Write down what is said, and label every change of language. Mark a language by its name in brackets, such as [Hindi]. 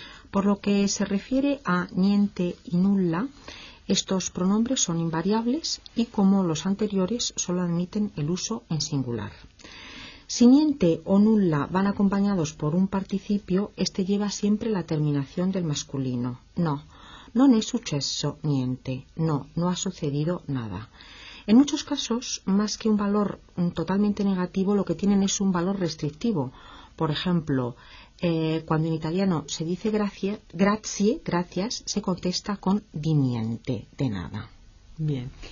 [Spanish] Por lo que se refiere a niente y nulla, estos pronombres son invariables y, como los anteriores, solo admiten el uso en singular. Si niente o nulla van acompañados por un participio, este lleva siempre la terminación del masculino. [Italian] No, non è successo niente. [Spanish] No, no ha sucedido nada. En muchos casos, más que un valor totalmente negativo, lo que tienen es un valor restrictivo. Por ejemplo, cuando en italiano se dice grazie, gracias, se contesta con [Italian] di niente, [Spanish] de nada. Bien.